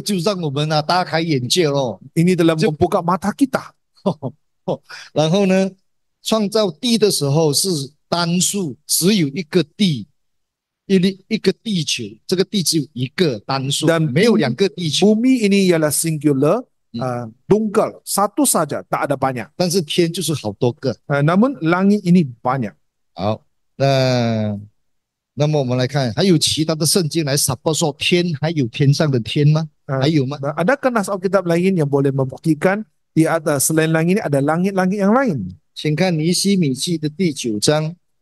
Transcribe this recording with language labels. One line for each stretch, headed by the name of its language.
Chinese: 这个就让我们啊大开眼界咯。
Malay: Ini dalam membuka mata kita.
Chinese: 然后呢，创造地的时候是单数，只有一个地。一个地球，这个地只有一个单数，
Malay: dan
Chinese: bumi, 没有两个地球。
Malay: Bumi ini ialah singular, tunggal, satu saja, tak ada banyak.
Chinese: 但是天就是好多个。
Malay: Namun langit ini banyak.
Chinese: 好，那么我们来看，还有其他的圣经来 support 说天还有天上的天吗？还有吗？
Malay: Adakah nas alkitab lain yang boleh membuktikan di atas selain langit ini ada langit-langit yang lain?
Chinese: 请看尼希米记的第九章。